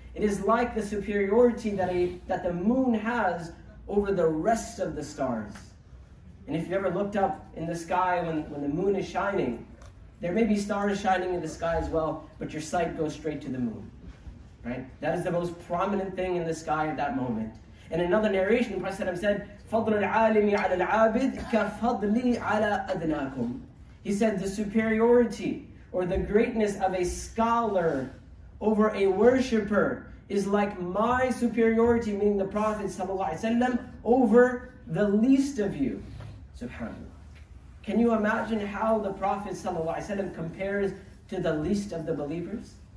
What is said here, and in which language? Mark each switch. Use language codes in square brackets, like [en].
[en] It is like the superiority that the moon has over the rest of the stars. And if you ever looked up in the sky when the moon is shining, there may be stars shining in the sky as well, but your sight goes straight to the moon, right? That is the most prominent thing in the sky at that moment. In another narration, the Prophet said, [ar] فَضْلُ الْعَالِمِ عَلَى الْعَابِدِ كَفَضْلِي عَلَى أَدْنَاكُمْ. [en] He said, the superiority or the greatness of a scholar over a worshipper is like my superiority, meaning the Prophet ﷺ, over the least of you. SubhanAllah. Can you imagine how the Prophet ﷺ compares to the least of the believers?